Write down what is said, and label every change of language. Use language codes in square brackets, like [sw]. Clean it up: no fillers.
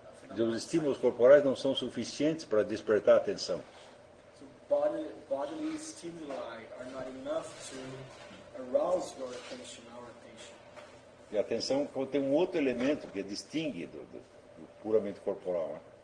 [pt] Os estímulos corporais não são suficientes para despertar a atenção. [en] So bodily stimuli are not enough to arouse your attention. [pt] E a atenção contém um outro elemento que distingue do puramente corporal.